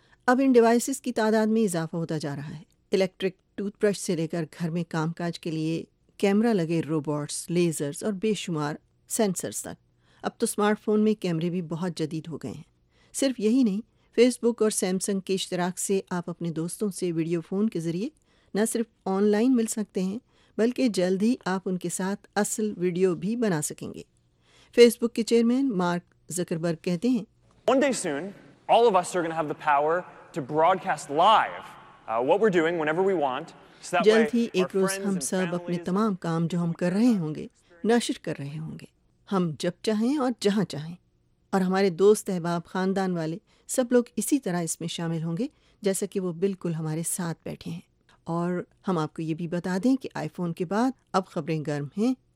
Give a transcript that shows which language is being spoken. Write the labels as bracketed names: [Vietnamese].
[Urdu] اب ان ڈیوائسز کی تعداد میں اضافہ ہوتا جا رہا ہے، الیکٹرک ٹوتھ برش سے لے کر گھر میں کام کاج کے لیے کیمرہ لگے روبوٹس، لیزرز اور بے شمار سینسرز تک۔ اب تو اسمارٹ فون میں کیمرے بھی بہت جدید ہو گئے ہیں۔ صرف یہی نہیں، فیس بک اور سیمسنگ کے اشتراک سے آپ اپنے دوستوں سے ویڈیو فون کے ذریعے نہ صرف آن لائن مل سکتے ہیں بلکہ جلد ہی آپ ان کے ساتھ اصل ویڈیو بھی بنا سکیں گے۔ فیس بک کے چیئرمین مارک زکربرگ کہتے ہیں، [English] One day soon, all of us are going to have the power to broadcast live what we're doing whenever we want. [Urdu] جلد ہی ایک روز ہم سب اپنے تمام کام جو ہم کر رہے ہوں گے نشر کر رہے ہوں گے، ہم جب چاہیں اور جہاں چاہیں، اور ہمارے دوست احباب خاندان والے سب لوگ اسی طرح اس میں شامل ہوں گے جیسا کہ وہ بالکل ہمارے ساتھ بیٹھے ہیں۔ اور ہم آپ کو یہ بھی بتا دیں کہ آئی فون کے بعد اب خبریں گرم ہیں